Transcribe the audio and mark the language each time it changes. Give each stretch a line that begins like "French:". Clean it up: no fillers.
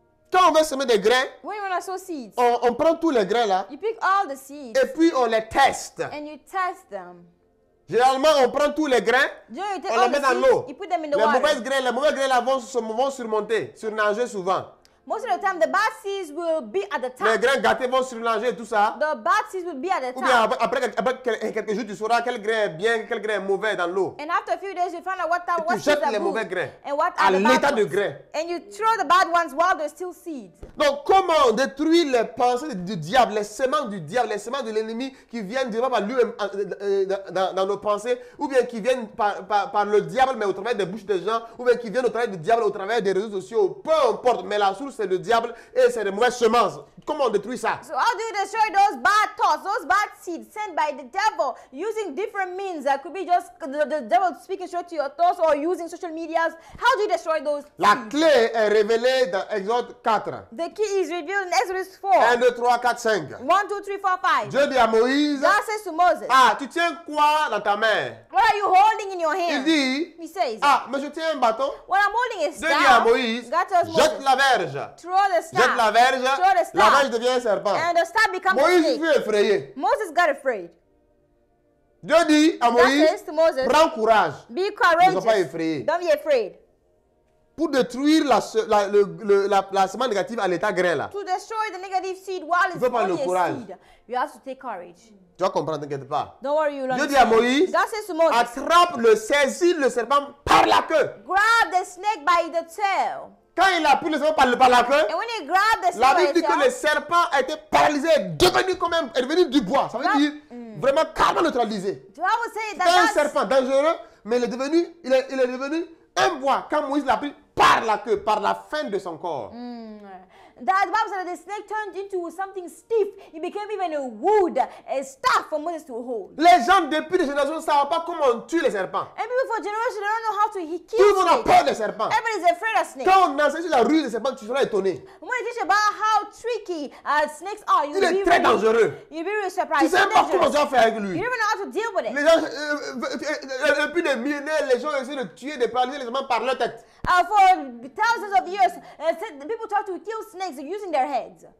French: Quand on veut semer des grains,
English: when you want to sow seeds,
French: on prend tous les grains là.
English: You pick all the seeds.
French: Et puis on les teste.
English: And you test them.
French: Généralement, on prend tous les grains, on les met dans l'eau.
English: You put them in the
French: les
English: water.
French: Mauvaises grains, les mauvais grains là vont surmonter, surnager souvent.
English: Most of the time, the bad seeds will be at the top.
French: Les grains gâtés vont surnager tout ça.
English: The bad seeds will be at the top.
French: Ou bien après quelques jours, tu sauras quel grain est bien, quel grain est mauvais dans l'eau.
English: And after a few days, you find out what are
French: tu jettes les mauvais grains.
English: And what
French: à l'état de grains.
English: And you throw the bad ones while they're still seeds.
French: Donc comment on détruit les pensées du diable, les semences du diable, les semences de l'ennemi qui viennent directement par lui dans nos pensées, ou bien qui viennent par le diable mais au travers des bouches des gens, ou bien qui viennent au travers du diable au travers des réseaux sociaux, peu importe. Mais la source c'est le diable et c'est des mauvaises semences. Comment on détruit ça?
English: So how do you destroy those bad thoughts, those bad seeds sent by the devil using different means? That could be just the devil speaking straight to your thoughts or using social media. How do you destroy those?
French: La clé est révélée dans Exode 4.
English: The key is revealed in Exodus 4.
French: 1, 2, 3, 4, 5.
English: 1, 2, 3, 4, 5.
French: Dieu dit à Moïse.
English: God says to Moses.
French: Ah, tu tiens quoi dans ta main?
English: What are you holding in your hand?
French: Il dit.
English: He says.
French: Ah, mais je tiens un bâton.
English: What I'm holding is
French: Dieu dit à Moïse.
English: God tells Moses.
French: Jette la verge.
English: Throw the staff.
French: Jette la verge.
English: Throw the staff.
French: La verge devient un serpent.
English: And the staff becomes
French: Moïse
English: a snake.
French: Moïse fut effrayé.
English: Moses got afraid.
French: Dieu dit à Moïse.
English: God says to Moses.
French: Prends courage.
English: Be courageous.
French: Ne sois pas effrayé.
English: Don't be afraid.
French: Pour détruire la semence négative à l'état grain là.
English: To destroy the negative seed while it's only a seed. You have to take courage.
French: Tu vas comprendre, t'inquiète pas.
English: Don't worry, you'll understand.
French: Dieu dit à Moïse.
English: God says to Moses.
French: Attrape le, saisis le serpent par la queue.
English: Grab the snake by the tail.
French: Quand il a pris le serpent par la queue.
English: And when he grabbed the snake.
French: La Bible dit que le serpent a été paralysé, devenu comme un, est devenu du bois. Ça veut dire vraiment carrément neutralisé.
English: Do I want to say that
French: un serpent dangereux, mais il est devenu, il est devenu un bois quand Moïse l'a pris. Par la queue, par la fin de son corps.
English: That Bible said that the snake turned into something stiff. It became even a wood, a staff for Moses to hold.
French: Les gens depuis des générations ne savent pas comment on tue les serpents.
English: And people for generations don't know how to kill snakes.
French: Tout le monde a peur des serpents.
English: Everybody's afraid of snakes.
French: Quand on enseigne sur la rue des serpents, tu seras étonné.
English: When you teach about how tricky snakes are, you'll be really,
French: très dangereux.
English: You'll be really surprised.
French: Tu sais pas comment tu vas faire avec lui.
English: You don't even know how to deal with it.
French: Les gens depuis des millénaires, les gens essaient de tuer, de paralyser les serpents par leur tête.
English: For thousands of years, people try to kill snakes using their heads.